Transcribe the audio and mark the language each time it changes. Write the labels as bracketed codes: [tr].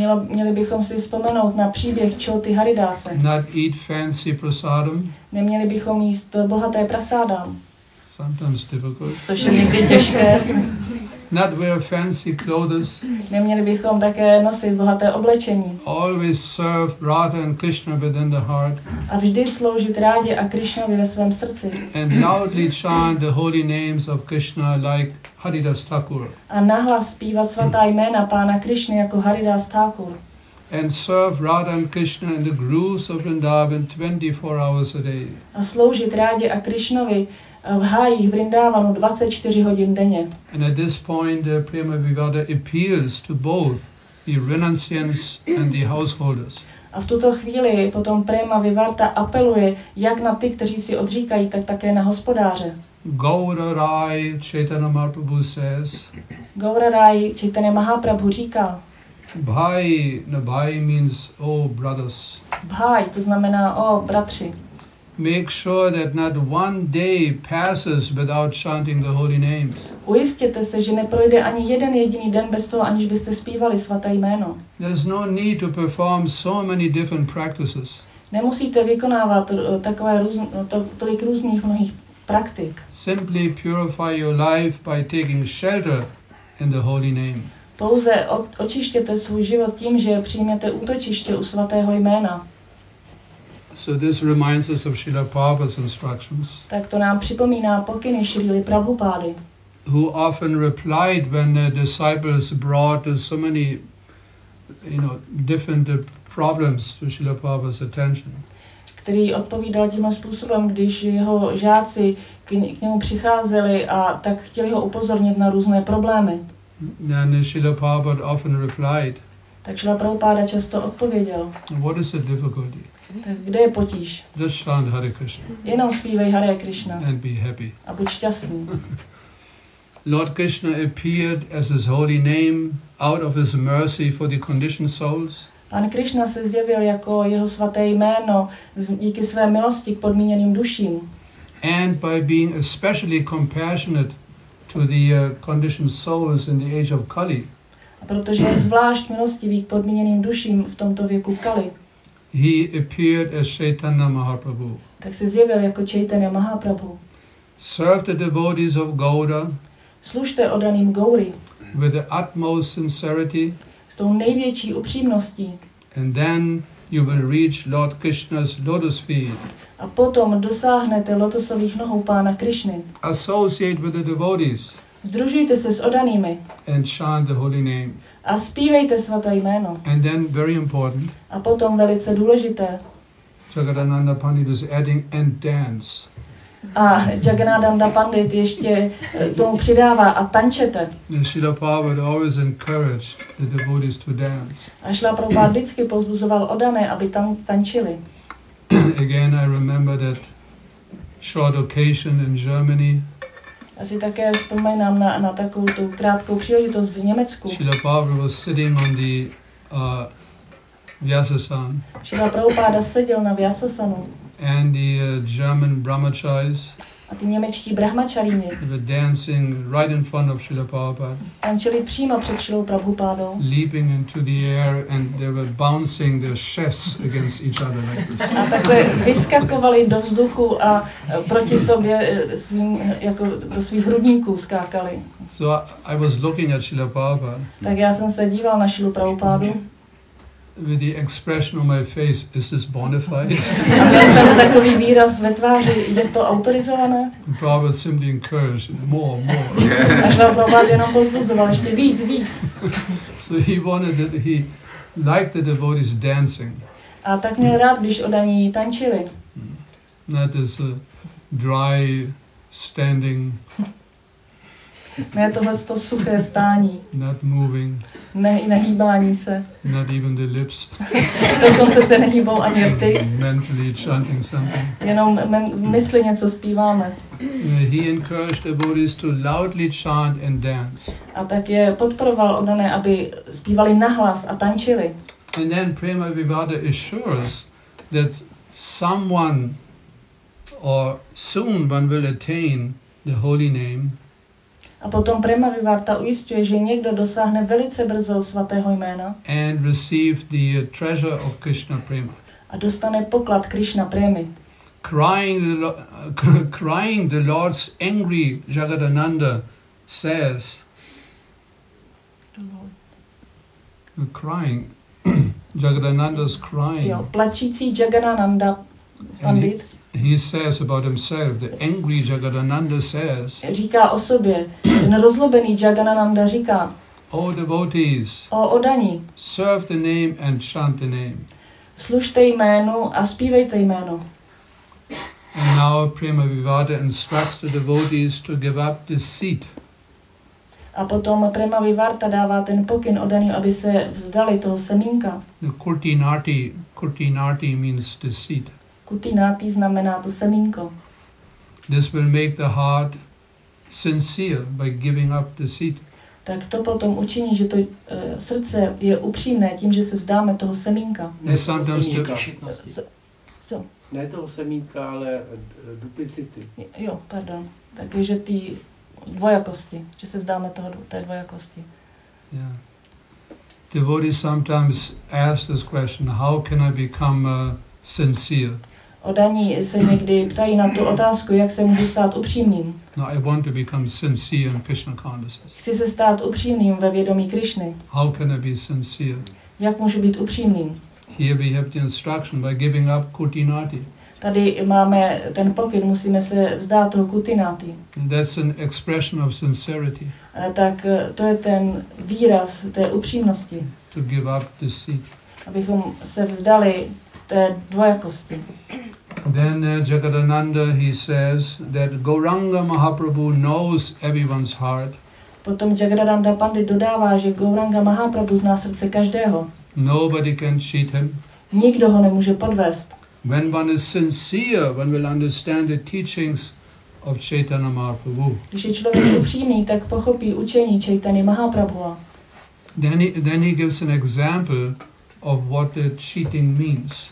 [cs] Měli bychom si vzpomenout na příběh Choty Haridase. [en] Not eat fancy prasadam. [cs] Neměli bychom jíst bohaté prasáda. [en] Sometimes difficult. [cs] Což je někdy těžké. [en] Not wear fancy clothes. [cs] Neměli bychom také nosit bohaté oblečení. [en] Always serve Radha and Krishna within the heart. [cs] A vždy sloužit Rádě a Krishnovi ve svém srdci. [en] And loudly chant the holy names of Krishna like Haridas Thakur. [cs] A nahlas zpívat svatá jména pána Krishny jako Haridas Thakur. [en] And serve Radha and Krishna in the grooves of Vrindavan 24 hours a day. [cs] A sloužit Rádě a Krishnovi v hájích Vrindávanu 24 hodin denně. [en] And at this point, Prema Vivada appeals to both the renunciants and the householders. [cs] A v tuto chvíli potom Prema Vivarta apeluje jak na ty, kteří si odříkají, tak také na hospodáře. [en] Gaurarai Chaitanya Mahaprabhu says. [cs] Gaurarai Chaitanya Mahaprabhu říká. [en] Bhai, no, bhai means oh brothers. [cs] Bhai, to znamená oh bratři. [en] Make sure that not one day passes without chanting the holy names. [cs] Ujistěte se, že neprojde ani jeden jediný den bez toho, aniž byste zpívali svaté jméno. [en] There's no need to perform so many different practices. [cs] Nemusíte vykonávat takové tolik různých mnohých praktik. [en] Simply purify your life by taking shelter in the holy name. [cs] Pouze očištěte svůj život tím, že přijměte útočiště u svatého jména. [en] So this reminds us of Srila Prabhupada's instructions. [cs] Tak to nám připomíná pokyny Srily Prabhupády. [en] Who often replied when the disciples brought so many, you know, different problems to Srila Prabhupada's attention. [cs] Který odpovídal tím způsobem, když jeho žáci k němu přicházeli a tak chtěli ho upozornit na různé problémy. [en] And Srila Prabhupada often replied. [cs] Tak Srila Prabhupada často odpověděl. [en] What is the difficulty? [cs] Tak kde je potíž? [en] Just chant Hare Krishna. [cs] Jenom zpívej Hare Krishna. [en] And be happy. [cs] A buď šťastný. [en] Lord Krishna appeared as his holy name out of his mercy for the conditioned souls. [cs] Pan Krishna se zjevil jako jeho svaté jméno díky své milosti k podmíněným duším. [en] And by being especially compassionate to the conditioned souls in the age of Kali. [cs] A protože je zvlášť milostivý k podmíněným duším v tomto věku Kali. [en] He appeared as Chaitanya Mahaprabhu. [cs] Tak se zjevil jako Chaitanya Mahaprabhu. [en] Serve the devotees of Gaura. [cs] Služte oddaným Gauri. [en] With the utmost sincerity. [cs] S tou největší upřímností. [en] And then you will reach Lord Krishna's lotus feet. [cs] A potom dosáhnete lotosových nohou pána Krishny. [en] Associate with the devotees. [cs] Združujte se s oddanými. [en] And chant the holy name. [cs] A zpívejte svaté jméno. [en] And then very important. [cs] A potom velice důležité. [en] Jagannanda Pandit is adding and dance. [cs] A Jagannanda Pandit ještě tomu přidává a tančete. [en] And Srila Prabhupada always encouraged the devotees to dance. [cs] A Srila Prabhupada vždycky pozbuzoval oddané, aby tam tančili. [en] Again I remember that short occasion in Germany. [cs] Asi také vzpomínám na takovou tu krátkou příležitost v Německu. [en] Srila Prabhupada was sitting on the Vyasasan. [cs] Srila Prabhupada seděl na Vyasasanu. [en] And the German brahmacharis. [cs] A ty němečtí brahmacharíni. [en] Were dancing right in front of Srila Prabhupada. [cs] Tančili přímo před Srilou Prabhupádou. [en] Leaping into the air and they were bouncing their chests against each other like this. [cs] A takhle vyskakovali do vzduchu a proti sobě svým jako do svých hrudníků skákali. [en] So I was looking at Srila Prabhupada. [cs] Tak já jsem se díval na Srilu Prabhupádu. [en] with the expression on my face, is this bona fide? [cs] Takový výraz ve tváři, je to autorizované? [en] Prabhupada simply encouraged more and more. [cs] Až na Prabhupada jenom pozbuzoval, ještě víc, víc. [en] So he wanted that he liked the devotees dancing. [cs] A tak měl rád, když oni tančili. [en] That is a dry standing. [cs] Ne tohle to suché stání. [en] Not moving. [cs] Ne, nehýbání se. [en] Not even the lips. [cs] Dokonce se nehýbou ani rty. [en] Mentally chanting something. [cs] Jenom mysli něco zpíváme. [en] He encouraged the devotees to loudly chant and dance. [cs] A tak je podporoval odané, aby zpívali nahlas a tančili. [en] And then Prema Vivada assures that someone or soon one will attain the holy name. [cs] A potom Prema Vivarta ujistuje, že někdo dosáhne velice brzo svatého jména. [en] And receive the treasure of Krishna Prema. [cs] A dostane poklad Krishna Premy. [en] Crying the Lord's angry Jagadananda says. The Lord. Crying. Jagadananda's crying. [cs] Jo, plačící Jagadananda pandit. [en] He says about himself, the angry Jagadananda says, [cs] říká o sobě, ten rozlobený Jagadananda říká, [en] O devotees, [cs] o odaní, [en] serve the name and chant the name. [cs] Služte jménu a zpívejte jméno. [en] And now Prema Vivada instructs the devotees to give up the seat. [cs] A potom Prema Vivarta dává ten pokyn odaní, aby se vzdali toho semínka. [en] The kurtinati, kurtinati means the seat. [cs] Kutinati znamená to semínko. [en] This will make the heart sincere by giving up the seed. [cs] Tak to potom učiní, že to srdce je upřímné tím, že se vzdáme toho semínka. Ne toho semínka. Co? Ne toho semínka, ale duplicity. Jo, pardon. Takže ty dvojakosti, že se vzdáme toho té dvojakosti. [en] Yeah. Devotees sometimes ask this question, how can I become sincere? [cs] Odaní se někdy ptají na tu otázku, jak se můžu stát upřímným. [en] No, I want to become sincere in Krishna consciousness. [cs] Chci se stát upřímným ve vědomí Krishny. [en] How can I be sincere? [cs] Jak můžu být upřímným? [en] Here we have the instruction by giving up kutinati. [cs] Tady máme ten pokyn, musíme se vzdát toho kutinati. [en] That's an expression of sincerity. [cs] A tak to je ten výraz té upřímnosti. [en] To give up the seat. [cs] Abychom se vzdali té dvojakosti. [en] Then Jagadananda, he says that Gauranga Mahaprabhu knows everyone's heart. [cs] Potom Jagadananda pandit dodává, že Gauranga Mahaprabhu zná srdce každého. [en] Nobody can cheat him. [cs] Nikdo ho nemůže podvést. [en] When one is sincere, one will understand the teachings of Chaitanya Mahaprabhu. [cs] Když je člověk upřímný, tak pochopí učení Chaitanya Mahaprabhu. [en] Then he gives an example of what the cheating means.